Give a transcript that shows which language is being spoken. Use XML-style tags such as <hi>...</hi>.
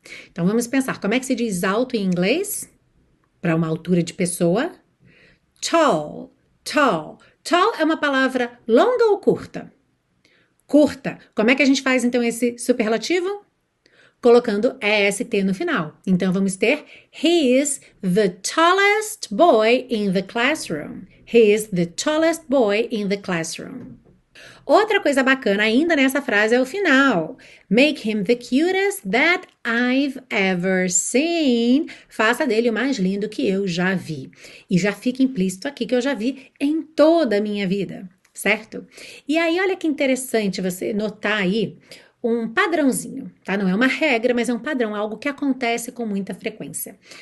<pt>Então vamos pensar, como é que se diz alto em inglês? Para uma altura de pessoa? Tall. Tall. Tall é uma palavra longa ou curta? Curta. Como é que a gente faz então esse superlativo? Colocando EST no final.</pt> <en>Então vamos ter: He is the tallest boy in the classroom. He is the tallest boy in the classroom.</en> <pt>Outra coisa bacana ainda nessa frase é o final.</pt> <en>Make him the cutest that I've ever seen.</en> <pt>Faça dele o mais lindo que eu já vi. E já fica implícito aqui que eu já vi em toda a minha vida, certo? E aí, olha que interessante você notar aí um padrãozinho, tá? Não é uma regra, mas é um padrão, algo que acontece com muita frequência.</pt>